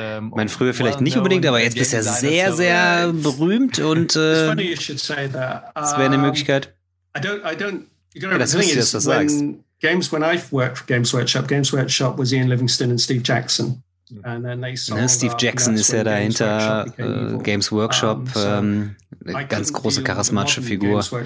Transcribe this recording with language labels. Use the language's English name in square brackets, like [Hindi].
[German] Mein früher vielleicht nicht unbedingt, aber jetzt bist du ja sehr, sehr berühmt und es wäre eine Möglichkeit. [English] When I worked for Games Workshop was Ian Livingston and Steve Jackson. And then they [German] Steve Jackson ist ja dahinter, Games Workshop, eine ganz große charismatische Figur.